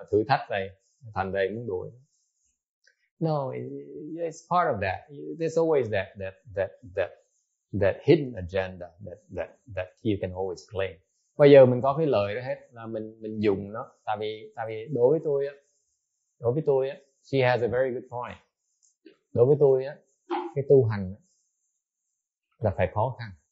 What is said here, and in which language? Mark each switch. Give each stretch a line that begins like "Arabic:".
Vietnamese: Tôi nói là chắc là thầy muốn để con ma nó để tự giúp dùng nó để mà thử thách thầy muốn đuổi.
English: No, it's part of that. There's always that hidden agenda that you can always claim.
Vietnamese: Bây giờ mình có cái lời đó hết là mình dùng nó. Tại vì đối với tôi á,
English: she has a very good point.
Vietnamese: Đối với tôi á, cái tu hành là phải khó khăn.